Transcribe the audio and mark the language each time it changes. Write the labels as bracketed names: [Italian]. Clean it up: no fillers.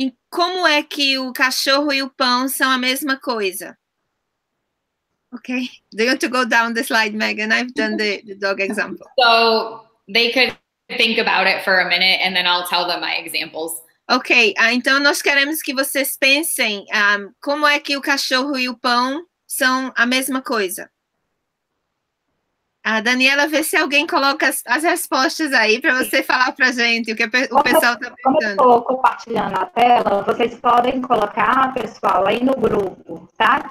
[Portuguese] Como é que o cachorro e o pão são a mesma coisa? [English] Okay, do you want to go down the slide, Megan? I've done the dog example. So they could think about it for a minute and then I'll tell them my examples. [Portuguese] Okay, então nós queremos que vocês pensem como é que o cachorro e o pão são a mesma coisa. A Daniela, vê se alguém coloca as respostas aí para você falar para gente o que o pessoal está perguntando. Como eu estou compartilhando a tela, vocês podem colocar, pessoal, aí no grupo, tá?